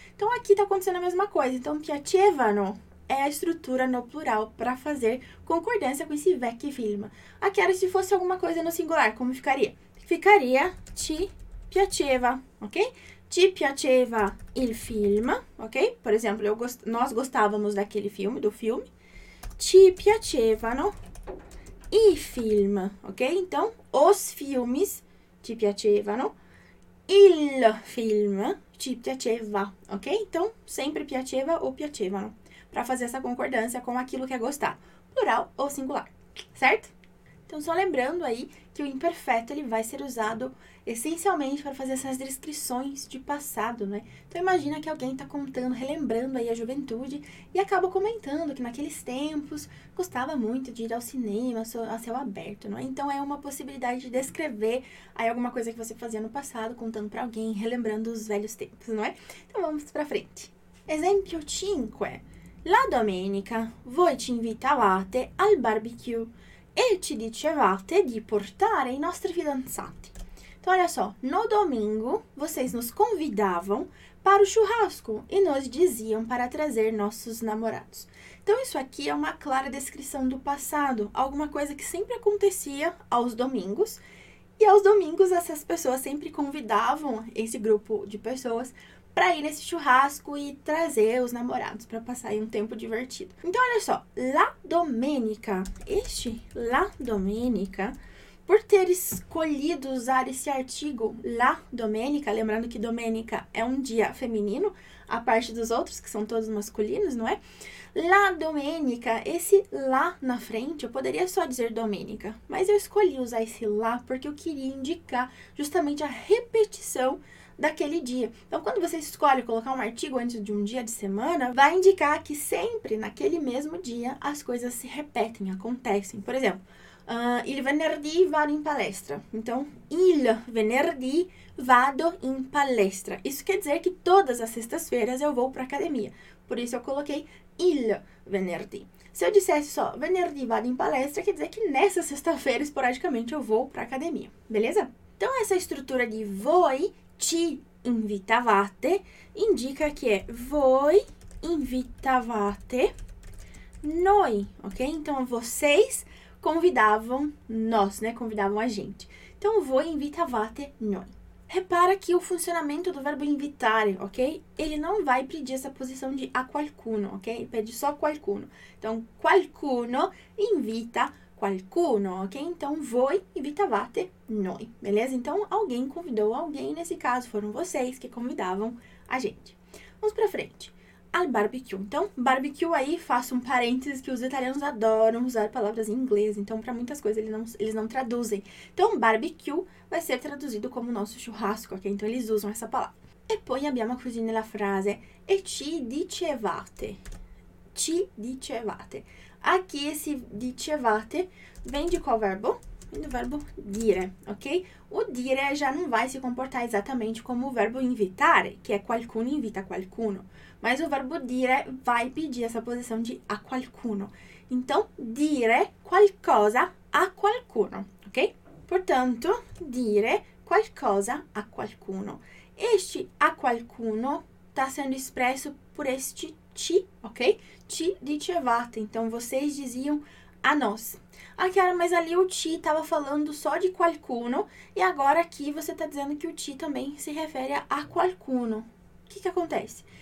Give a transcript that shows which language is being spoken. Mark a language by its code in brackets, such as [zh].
[pt] Então aqui está acontecendo a mesma coisa. Então, piacevano é a estrutura no plural para fazer concordância com esse vecchio film. Aqui era se fosse alguma coisa no singular, como ficaria? Ficaria [it] ti piaceva, [pt] ok? [it] Ti piaceva il film, [pt] ok? Por exemplo, nós gostávamos daquele filme, do filme. [it] Ci piacevano i film, ok? Então, os filmes ci piacevano, il film ci piaceva, ok? [pt] Então, sempre piaceva ou piacevano, para fazer essa concordância com aquilo que é gostar, plural ou singular, certo? Então, só lembrando aí que o imperfeito ele vai ser usado essencialmente para fazer essas descrições de passado, né? Então imagina que alguém está contando, relembrando aí a juventude e acaba comentando que naqueles tempos gostava muito de ir ao cinema, a céu aberto, não é? Então é uma possibilidade de descrever aí alguma coisa que você fazia no passado, contando para alguém, relembrando os velhos tempos, não é? Então vamos para frente. [it] Esempio 5. La domenica voi ci invitavate al barbecue e ci dicevate di portare i nostri fidanzati. [pt] Então, olha só, no domingo vocês nos convidavam para o churrasco e nos diziam para trazer nossos namorados. Então, isso aqui é uma clara descrição do passado, alguma coisa que sempre acontecia aos domingos. E aos domingos, essas pessoas sempre convidavam esse grupo de pessoas para ir nesse churrasco e trazer os namorados para passar aí um tempo divertido. Então, olha só, la domenica, este la domenica. Por ter escolhido usar esse artigo la domenica, lembrando que domenica é um dia feminino, à parte dos outros que são todos masculinos, não é? La domenica, esse la na frente, eu poderia só dizer domenica, mas eu escolhi usar esse la porque eu queria indicar justamente a repetição daquele dia. Então, quando você escolhe colocar um artigo antes de um dia de semana, vai indicar que sempre naquele mesmo dia as coisas se repetem, acontecem. [it] Por exemplo, il venerdì vado in palestra. Então, il venerdì vado in palestra. [pt] Isso quer dizer que todas as sextas-feiras eu vou para a academia. Por isso eu coloquei il venerdì. Se eu dissesse só [it] venerdì vado in palestra, [pt] quer dizer que nessa sexta-feira, esporadicamente, eu vou para a academia. Beleza? Então, essa estrutura de [it] voi, ci invitavate, [pt] indica que é [it] voi invitavate noi, [pt] ok? Então, vocês convidavam nós, né? Convidavam a gente. [it] Então, voi invitavate noi. [pt] Repara que o funcionamento do verbo invitare, ok? Ele não vai pedir essa posição de [it] a qualcuno, [pt] ok? Pede só qualcuno. [it] Então, qualcuno invita qualcuno, ok? Então, voi invitavate noi, beleza? [pt] Então, alguém convidou alguém, nesse caso foram vocês que convidavam a gente. Vamos para frente. [it] Al barbecue. [pt] Então, barbecue aí, faço um parênteses, que os italianos adoram usar palavras em inglês. Então, para muitas coisas, eles não traduzem. Então, barbecue vai ser traduzido como nosso churrasco, ok? Então, eles usam essa palavra. [it] E poi abbiamo così nella frase, e ci dicevate. Ci dicevate. [pt] Aqui, esse dicevate vem de qual verbo? Vem do verbo dire, ok? O dire já não vai se comportar exatamente como o verbo invitare, que é [it] qualcuno invita qualcuno. [pt] Mas o verbo dire vai pedir essa posição de [it] a qualcuno. Então, dire qualcosa a qualcuno, ok? Portanto, dire qualcosa a qualcuno. [pt] Este [it] a qualcuno [pt] está sendo expresso por este ci, ok? [it] Ci dicevate. [pt] Então, vocês diziam a nós. Ah, Chiara, mas ali o ti estava falando só de qualcuno. E agora aqui você está dizendo que o ti também se refere a qualcuno. O que acontece?